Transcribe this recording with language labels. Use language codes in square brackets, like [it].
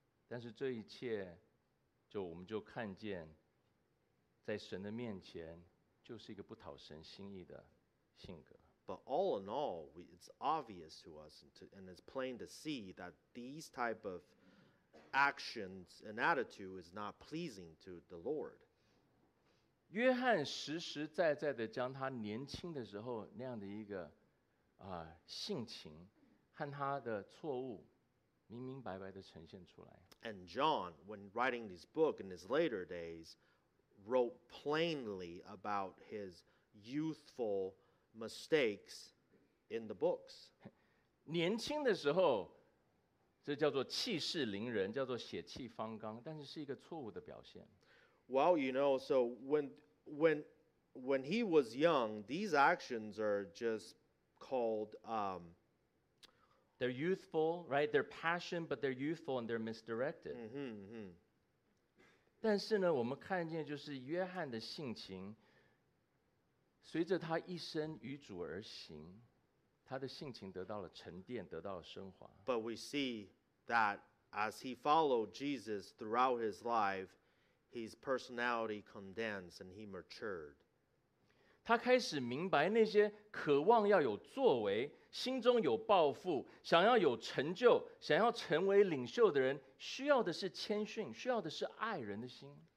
[zh] 但是这一切就我们就看见在神的面前就是一个不讨神心意的性格。 [en] But all in all, it's obvious to us and it's plain to see that these type of actions and attitude is not pleasing to the Lord. [zh] 约翰实实在在的将他年轻的时候那样的一个性情和他的错误明明白白的呈现出来。 [en] And John, when writing this book in his later days,wrote plainly about his youthful mistakes in the books. [zh] 年轻的时候，这叫做气势凌人，叫做血气方刚，但是是一个错误的表现。 [en] Well, you know, so when he was young, these actions are just called they're youthful, right? They're passion, but they're youthful and they're misdirected. Mm-hmm, mm-hmm. [zh] 但是呢，我们看见就是约翰的性情，随着他一生与主而行，他的性情得到了沉淀，得到了升华。 [en] But we see that as he followed Jesus throughout his life, his personality condensed and he matured. [zh] 他开始明白那些渴望要有作为、心中有抱负、想要有成就、想要成为领袖的人需要的是谦逊，需要的是爱人的心。